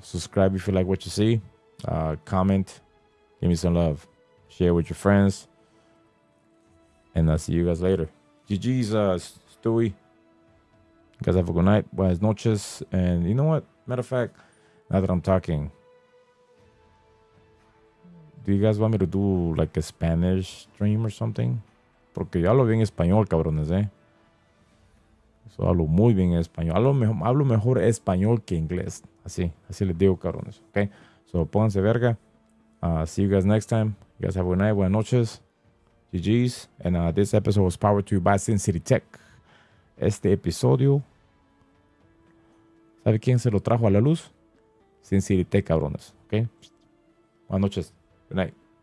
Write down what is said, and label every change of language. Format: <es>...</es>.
<en>Subscribe if you like what you see. Comment. Give me some love. Share with your friends. And I'll see you guys later. GG's, Stewie. You guys have a good night.</en> <es>Buenas noches.</es> <en>And you know what? Matter of fact, now that I'm talking, do you guys want me to do like a Spanish stream or something?</en> <es>Porque yo hablo bien español, cabrones, eh? So hablo muy bien español. Hablo mejor español que inglés. Así les digo, cabrones.</es> <en>Okay? So</en> <es>pónganse verga.</es> <en>See you guys next time. You guys have a good night.</en> <es>Buenas noches.</es> <en>GG's. And this episode was powered to you by Sin City Tech.</en> <es>Este episodio. ¿Sabe quién se lo trajo a la luz? Sin City Tech, cabrones. Okay? Buenas noches.</es> <en>Good night.</en>